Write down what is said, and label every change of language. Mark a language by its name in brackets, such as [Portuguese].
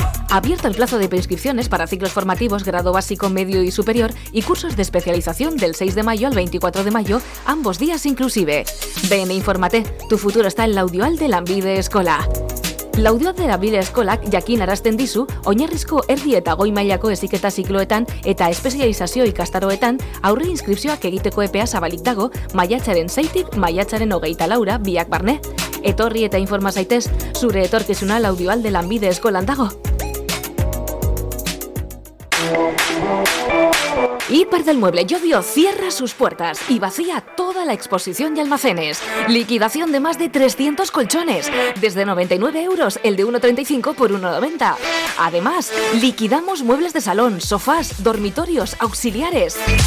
[Spanish] Abierto el plazo de preinscripciones para ciclos formativos grado básico, medio y superior y cursos de especialización del 6 de mayo al 24 de mayo, ambos días inclusive. Ven e infórmate, tu futuro está en Laudioal de Lanbide Eskola. [Basque] Laudioal de Lanbide Eskolak jakinarazten dizu, oinarrizko erdi eta goi mailako heziketa zikloetan eta espezializazio ikastaroetan aurre inskripzioak egiteko epea zabalik dago maiatzaren 6-tik maiatzaren 24-ra biak barne. Etorri eta informa zaitez, zure etorkizuna Laudioal de Lanbide Eskolan dago. [Spanish] Hiper del Mueble Llodio cierra sus puertas y vacía toda la exposición y almacenes. Liquidación de más de 300 colchones, desde 99 euros el de 1,35 por 1,90. Además, liquidamos muebles de salón, sofás, dormitorios, auxiliares.